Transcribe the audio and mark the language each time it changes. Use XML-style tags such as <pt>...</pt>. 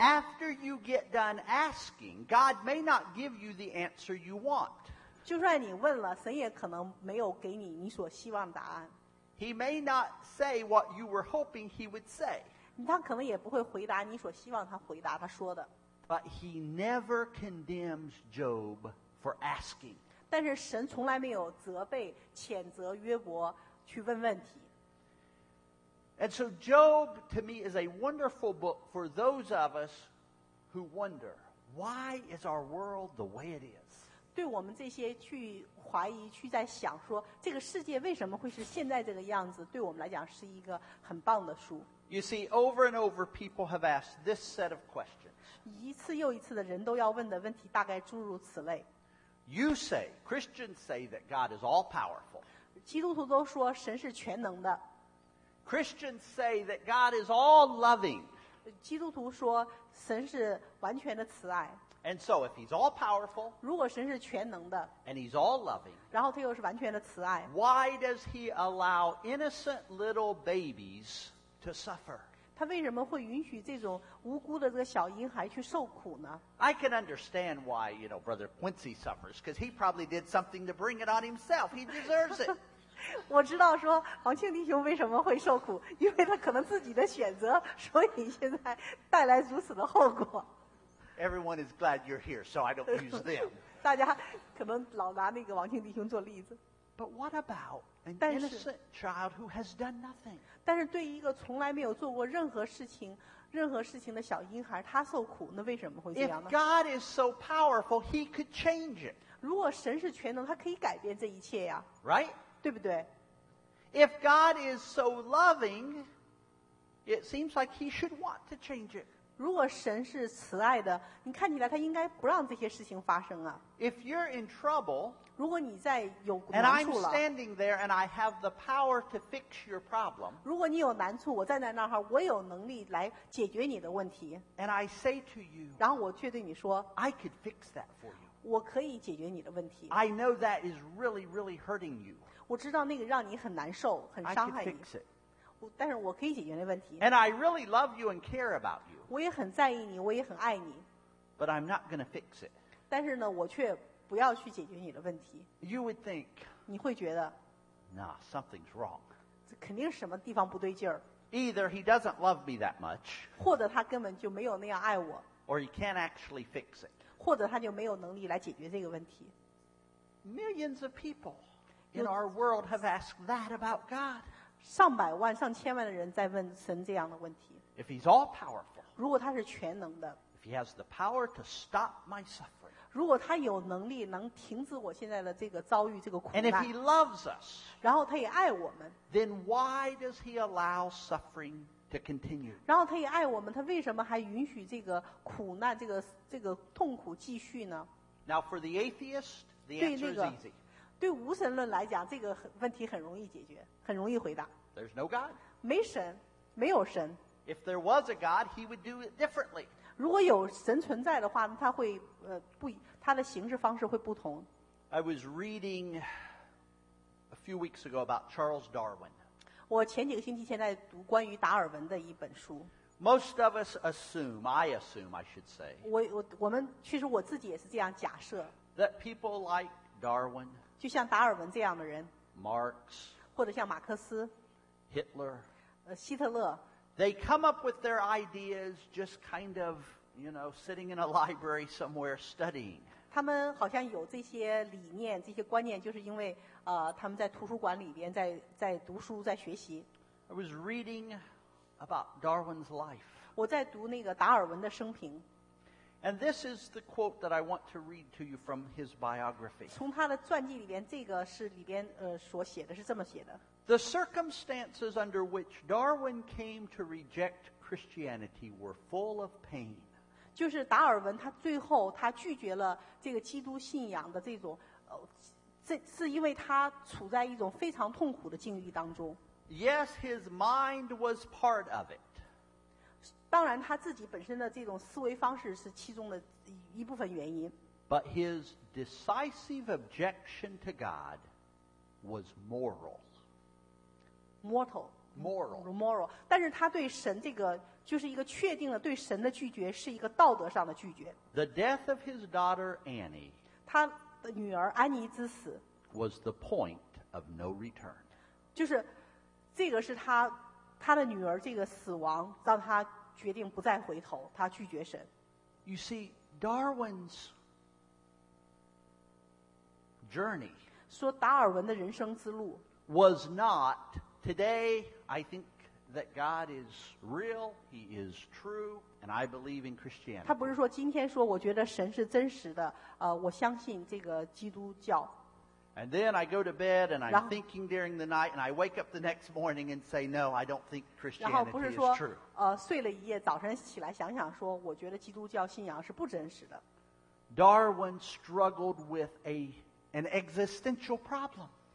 <en>After you get done asking, God may not give you the answer you want.</en> <zh>就算你问了，神也可能没有给你你所希望的答案。</zh> <en>He may not say what you were hoping he would say.</en> <zh>他可能也不会回答你所希望他回答他说的。</zh> <en>But he never condemns Job for asking.</en> <zh>但是神从来没有责备、谴责约伯去问问题。</zh> <en>And so Job, to me, is a wonderful book for those of us who wonder, why is our world the way it is?</en> <zh>对我们这些去怀疑、去在想说这个世界为什么会是现在这个样子，对我们来讲是一个很棒的书。</zh> <en>You see, over and over, people have asked this set of questions.</en> <zh>一次又一次的人都要问的问题大概诸如此类。</zh> <en>You say, Christians say that God is all powerful.</en> <zh>基督徒都说神是全能的。</zh> <en>Christians say that God is all loving.</en> <zh>基督徒说神是完全的慈爱。</zh> <en>And so if he's all powerful,</en> <zh>如果神是全能的,</zh> <en>and he's all loving,</en> <zh>然后他又是完全的慈爱,</zh> <en>why does he allow innocent little babies to suffer?</en> <zh>他为什么会允许这种无辜的这个小婴孩去受苦呢?</zh> <en>I can understand why, you know, Brother Quincy suffers, because he probably did something to bring it on himself. He deserves it.</en> <zh>我知道说黄庆弟兄为什么会受苦，因为他可能自己的选择，所以现在带来如此的后果。</zh> <en>Everyone is glad you're here, so I don't use them.</en> <zh>大家可能老拿那个王庆弟兄做例子。</zh> <en>But what about an innocent child who has done nothing?</en> <zh>但是对一个从来没有做过任何事情的小婴孩，他受苦，那为什么会这样呢？</zh> <en>If God is so powerful, he could change it.</en> <zh>如果神是全能，他可以改变这一切呀。</zh> <en>Right?</en> <zh>对不对？</zh> <en>If God is so loving, it seems like he should want to change it.</en> <zh>如果神是慈爱的，你看起来他应该不让这些事情发生啊。</zh> <en>If you're in trouble,</en> <zh>如果你在有难处了</zh> <en>and I'm standing there and I have the power to fix your problem,</en> <zh>如果你有难处，我站在那儿，我有能力来解决你的问题。</zh> <en>And I say to you,</en> <zh>然后我却对你说</zh> <en>I could fix that for you.</en> <zh>我可以解决你的问题。</zh> <en>I know that is really, really hurting you.</en> <zh>我知道那个让你很难受，很伤害你。</zh> <en>I could fix it.</en> <zh>但是我可以解决那问题。</zh> <en>And I really love you and care about you.</en> <zh>我也很在意你，我也很爱你。</zh> <en>But I'm not going to fix it.</en> <zh>但是呢，我却不要去解决你的问题。</zh> <en>You would think.</en> <zh>你会觉得。</zh> <en>Nah, something's wrong.</en> <zh>这肯定什么地方不对劲儿。</zh> <en>Either he doesn't love me that much.</en> <zh>或者他根本就没有那样爱我。</zh> <en>Or he can't actually fix it.</en> <zh>或者他就没有能力来解决这个问题。</zh> <en>Millions of people in our world have asked that about God.</en> <zh>上百万上千万的人在问神这样的问题</zh> <en>If he's all powerful,</en> <zh>如果他是全能的</zh> <en>If he has the power to stop my suffering,</en> <zh>如果他有能力能停止我现在的这个遭遇这个苦难</zh> <en>And if he loves us,</en> <zh>然后他也爱我们</zh> <en>Then why does he allow suffering to continue?</en> <zh>然后他也爱我们他为什么还允许这个苦难这个痛苦继续呢</zh> <en>Now for the atheist, the answer is easy.</en> <zh>对无神论来讲这个问题很容易解决很容易回答</zh> <en>There's no God</en> <zh>没神没有神</zh> <en>If there was a God he would do it differently</en> <zh>如果有神存在的话他会他的行事方式会不同</zh> <en>I was reading a few weeks ago about Charles Darwin</en> <zh>我前几个星期前在读关于达尔文的一本书</zh> <en>Most of us assume I assume I should say</en> <zh>我们其实我自己也是这样假设</zh> <en>That people like Darwin</en> <zh>就像达尔文这样的人</zh> <en>Marx</en> <zh>或者像马克思</zh> <en>Hitler</en> <zh>希特勒</zh> <en>They come up with their ideas just kind of, you know, sitting in a library somewhere studying</en> <zh>他们好像有这些理念这些观念就是因为他们在图书馆里边在读书在学习</zh> <en>I was reading about Darwin's life</en> <zh>我在读那个达尔文的生平</zh> <en>And this is the quote that I want to read to you from his biography.</en> <zh>从他的传记里边，这个是里边所写的是这么写的。</zh> <en>The circumstances under which Darwin came to reject Christianity were full of pain.</en> <zh>就是达尔文他最后他拒绝了这个基督信仰的这种，这是因为他处在一种非常痛苦的境遇当中。</zh> <en>Yes, his mind was part of it.</en> <zh>当然他自己本身的这种思维方式是其中的一部分原因</zh> <en>But his decisive objection to God was moral</en> <zh>Moral 但是他对神这个就是一个确定的对神的拒绝是一个道德上的拒绝</zh> <en>The death of his daughter Annie</en> <zh>他的女儿安妮之死</zh> <en>was the point of no return</en> <zh>就是这个是他的女儿这个死亡让他决定不再回头他拒绝神</zh> <en>You see Darwin's journey</en> <zh>说达尔文的人生之路</zh> <en>was not today I think that God is real he is true and I believe in Christianity</en> <zh>他不是说今天说我觉得神是真实的我相信这个基督教</zh> <en>and then I go to bed and I'm thinking during the night and I wake up the next morning and say no I don't think Christianity is true</en> <zh>睡了一夜早晨起来想想说我觉得基督教信仰是不真实的</zh> <en>Darwin struggled with an existential problem</en>